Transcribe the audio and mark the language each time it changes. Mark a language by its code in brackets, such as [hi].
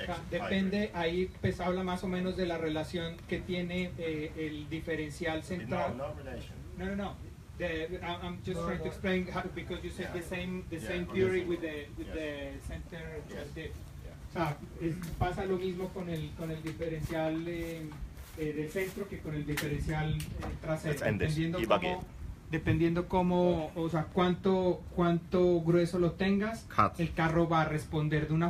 [es] Depende, ahí pues habla más o menos de la relación que tiene el diferencial central. No. [en] I'm just trying to explain how, because you said the same theory with the center diff. [es] Pasa lo mismo con el diferencial del centro que con el diferencial trasero. Dependiendo cómo, o sea, cuánto grueso lo tengas, el carro va a responder de una forma.